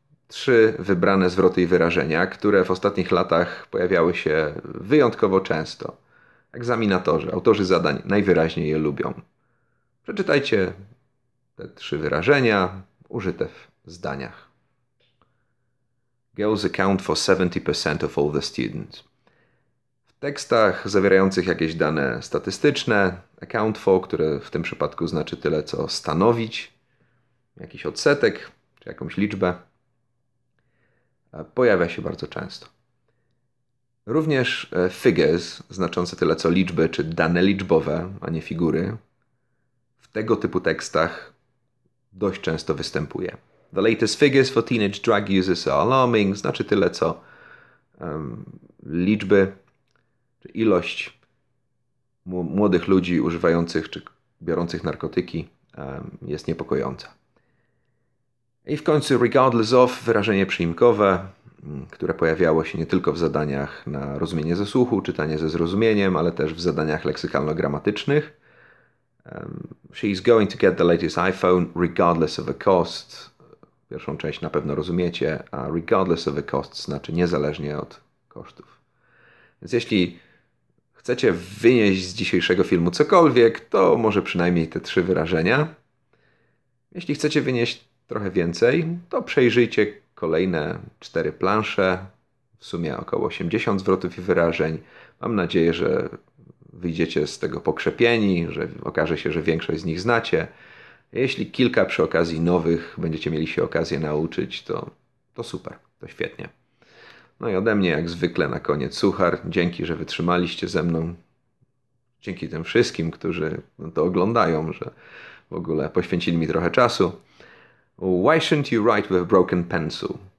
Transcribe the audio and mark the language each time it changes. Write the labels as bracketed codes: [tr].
[pl] 3 wybrane zwroty i wyrażenia, które w ostatnich latach pojawiały się wyjątkowo często. Egzaminatorzy, autorzy zadań najwyraźniej je lubią. Przeczytajcie te 3 wyrażenia użyte w zdaniach. [en] Girls account for 70% of all the students. [pl] W tekstach zawierających jakieś dane statystyczne, account for, które w tym przypadku znaczy tyle, co stanowić, jakiś odsetek czy jakąś liczbę, pojawia się bardzo często. Również figures, znaczące tyle, co liczby, czy dane liczbowe, a nie figury, w tego typu tekstach dość często występuje. [en] The latest figures for teenage drug users are alarming, [pl] znaczy tyle, co liczby, czy ilość młodych ludzi używających czy biorących narkotyki jest niepokojąca. I w końcu regardless of, wyrażenie przyimkowe, które pojawiało się nie tylko w zadaniach na rozumienie ze słuchu, czytanie ze zrozumieniem, ale też w zadaniach leksykalno-gramatycznych. [en] She's going to get the latest iPhone regardless of the cost. [pl] Pierwszą część na pewno rozumiecie, a [en] regardless of the cost [pl] znaczy niezależnie od kosztów. Więc jeśli chcecie wynieść z dzisiejszego filmu cokolwiek, to może przynajmniej te 3 wyrażenia. Jeśli chcecie wynieść trochę więcej, to przejrzyjcie kolejne 4 plansze, w sumie około 80 zwrotów i wyrażeń. Mam nadzieję, że wyjdziecie z tego pokrzepieni, że okaże się, że większość z nich znacie. Jeśli kilka przy okazji nowych będziecie mieli się okazję nauczyć, to super, to świetnie. No i ode mnie jak zwykle na koniec suchar. Dzięki, że wytrzymaliście ze mną. Dzięki tym wszystkim, którzy to oglądają, że w ogóle poświęcili mi trochę czasu. [en] Why shouldn't you write with a broken pencil?